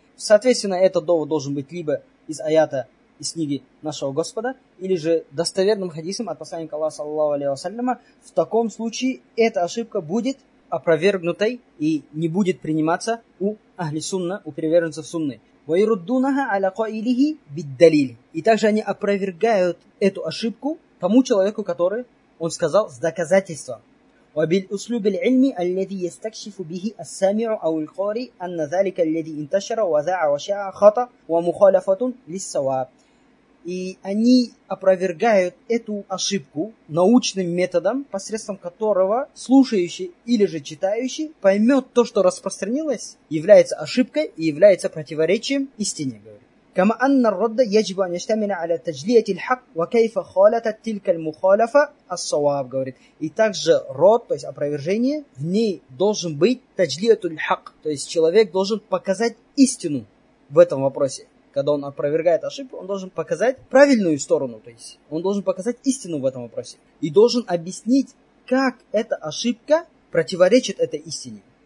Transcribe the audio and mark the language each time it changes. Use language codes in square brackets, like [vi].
[ru] Соответственно, этот довод должен быть либо из аята, из книги нашего Господа, или же достоверным хадисом от посланника Аллаха, саллаллаху алейхи ва саллям, в таком случае эта ошибка будет опровергнутой и не будет приниматься у ахли сунна, у приверженцев сунны. [ar] ويردونها على قائله بالدليل. [ru] И также они опровергают эту ошибку тому человеку, который он сказал с доказательством. [ar] وبالأسلوب العلمي الذي يستكشف به السامع أو القارئ أن ذلك الذي انتشر وذاع وشاع خطأ ومخالفة للصواب. [ru] И они опровергают эту ошибку научным методом, посредством которого слушающий или же читающий поймет то, что распространилось, является ошибкой и является противоречием истине. [ar] كما أن الرد يجب أن يشتمل على تجلية الحق وكيف خالطت تلك المخالفة الصواب [ru] говорит. И также род, то есть опровержение, в ней должен быть [ar] таджлиату аль-хак, [ru] то есть человек должен показать истину в этом вопросе. Когда он опровергает ошибку, он должен показать правильную сторону, то есть он должен показать истину в этом вопросе и должен объяснить, как эта ошибка противоречит этой истине.